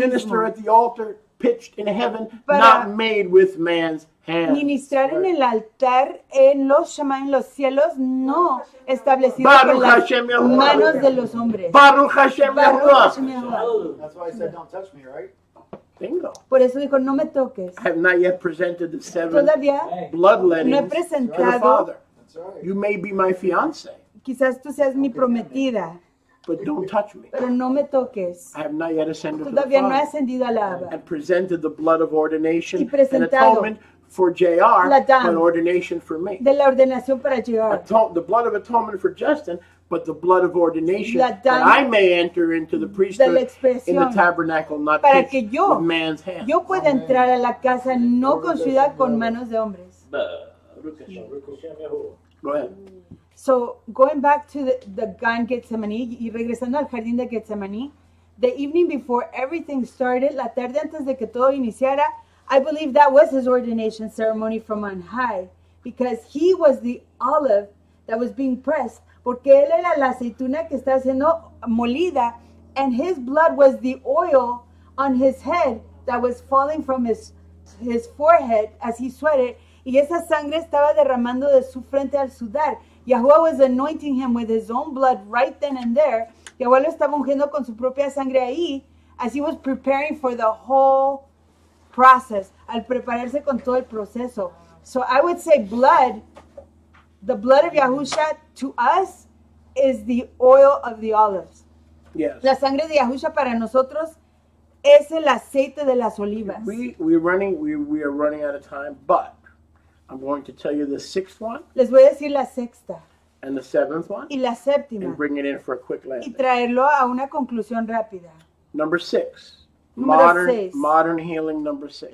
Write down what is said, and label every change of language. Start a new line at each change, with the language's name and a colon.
English: To minister at the altar pitched in heaven, not made with man's hands.
Spanish: Ministrar en el altar en los shamayim, los cielos, no establecido por las manos de los hombres.
Hebrew: Baruch Hashem.
English: That's why I said, don't touch me, right? Bingo.
Spanish: Por eso dijo, no me toques.
English: I have not yet presented the seven bloodlettings to the Father. You may be my fiance.
Spanish: Quizás tú seas mi prometida.
English: But don't touch me.
Spanish: Pero no me toques.
English: I have not yet ascended
Spanish: Todavía
English: to the
Spanish: no he ascendido a la Abba.
English: And presented the blood of ordination
Spanish: y presentado
English: and atonement for JR,
Spanish: la dam,
English: but ordination for me.
Spanish: De la ordenación para JR.
English: The blood of atonement for Justin, but the blood of ordination
Spanish: la dam
English: that I may enter into the priesthood in the tabernacle, not
Spanish: para que yo,
English: with man's hands.
Spanish: Yo pueda entrar a la casa no construida con manos de hombres.
English: Go ahead. So, going back to the Garden Getsemaní,
Spanish: y regresando al Jardín de Getsemaní,
English: the evening before everything started,
Spanish: la tarde antes de que todo iniciara,
English: I believe that was his ordination ceremony from on high, because he was the olive that was being pressed,
Spanish: porque él era la aceituna que está siendo molida,
English: and his blood was the oil on his head that was falling from his forehead as he sweated,
Spanish: y esa sangre estaba derramando de su frente al sudar.
English: Yahuwah was anointing him with his own blood right then and there.
Spanish: Yahuwah lo estaba ungiendo con su propia sangre ahí
English: as he was preparing for the whole process,
Spanish: al prepararse con todo el proceso.
English: So I would say blood, the blood of Yahusha to us is the oil of the olives. Yes.
Spanish: La sangre de Yahusha para nosotros es el aceite de las olivas.
English: We are running out of time, but I'm going to tell you the sixth one.
Spanish: Les voy a decir la sexta.
English: And the seventh one.
Spanish: Y la séptima.
English: And bring it in for a quick landing.
Spanish: Y traerlo a una conclusión rápida.
English: Number six. Modern healing number six.